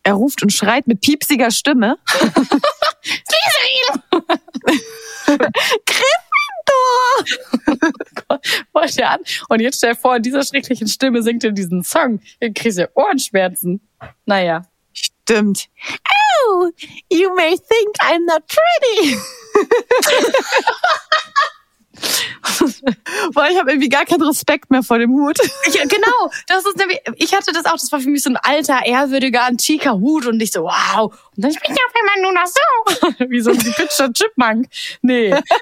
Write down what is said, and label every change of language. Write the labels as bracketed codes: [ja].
[de] Er ruft und schreit mit piepsiger Stimme. Slytherin! Gryffindor! Wollt ihr an? Und jetzt stell vor, in dieser schrecklichen Stimme singt ihr diesen Song. Ihr kriegt ja Ohrenschmerzen. Naja. Stimmt. [en] Oh, you may think I'm not pretty. [de] Boah, ich habe irgendwie gar keinen Respekt mehr vor dem Hut. Ja, genau, das ist nämlich, ich hatte das auch, das war für mich so ein alter, ehrwürdiger, antiker Hut und ich so, wow. Und dann bin ich auf einmal nur noch so. Wie so ein gepitchter Chipmunk. Nee.